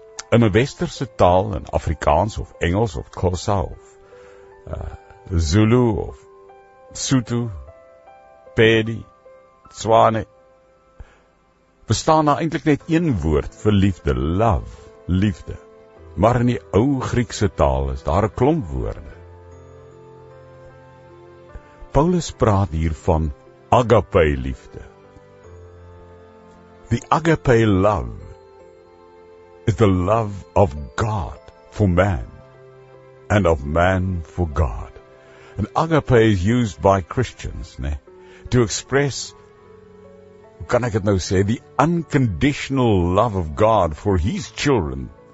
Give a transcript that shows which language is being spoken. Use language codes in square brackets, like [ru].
[af] In 'n westerse taal, in Afrikaans of Engels of Xhosa of Zulu of Sotho, Pedi, Swane, bestaan daar eintlik net een woord vir liefde, love, liefde. Maar in die ou Griekse taal is daar 'n klomp woorde. Paulus praat hier van agape liefde. [en] The agape love is the love of God for man. and of man for God. And agape is used by Christians, né, to express, can I get no say, the unconditional love of God for His children.